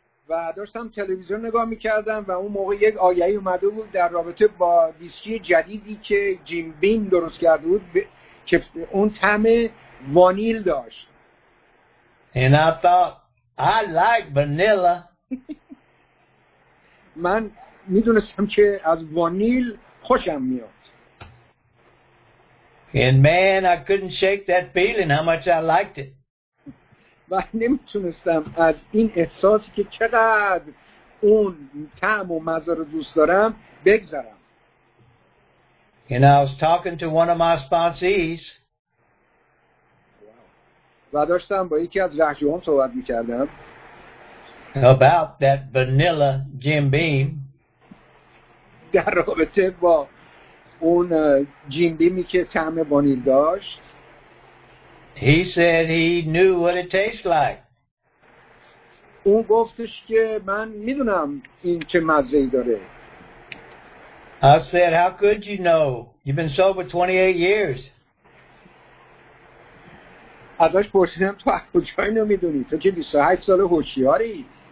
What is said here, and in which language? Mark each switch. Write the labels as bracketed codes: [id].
[fa] و داشتم تلویزیون نگاه میکردم و اون موقع یک آگهی اومده بود در رابطه با ویسکی جدیدی که جیم بیم درست کرده بود که اون طعم وانیل داشت. [en] And I thought, I like vanilla. [fa] من میدونستم که از وانیل خوشم میاد. [en] And man, I couldn't shake that feeling how much I liked it. [fa] و نمیتونستم از این احساسی که چقدر اون طعم و مزه رو دوست دارم بگذرم. [en] And I was talking to one of my sponsees. [fa] و داشتم با یکی از رهجوان صحبت میکردم. [en] About that vanilla Jim Beam. [fa] در رابطه با اون جیم بیمی که طعم وانیل داشت. [en] He said he knew what it tastes like. [fa] اون گفتش که من میدونم این چه مزه‌ای داره. [en] I said, how could you know? You've been sober 28 years. [fa] ازش پرسیدم تو از کجا اینو میدونی؟ تو که 28 سال هوشیاری.